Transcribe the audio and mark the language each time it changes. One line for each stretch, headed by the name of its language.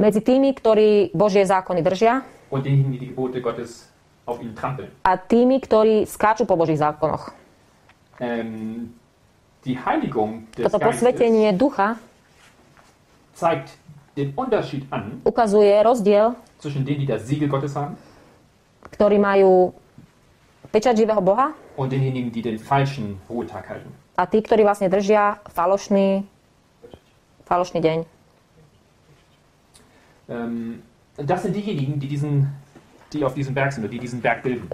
Slovak: Medzi tými, ktorí Božie zákony držia.
German: Und denen, die Gebote Gottes auf ihnen trampeln.
Slovak: A tými, ktorí skáču po Božích zákonoch.
German: Die Heiligung des Geistes.
Slovak: Toto posvetenie ducha
German: zeigt den Unterschied an.
Slovak: Ukazuje rozdiel.
German: Zwischen denen, die das Siegel Gottes haben.
Slovak: Ktorí majú pečať živého Boha.
German: Und denen, die den falschen Ruhetag halten.
Slovak: A tí, ktorí vlastne držia falošný deň.
German: Das sind diejenigen, die diesen die auf diesem Berg sind, die diesen Berg bilden.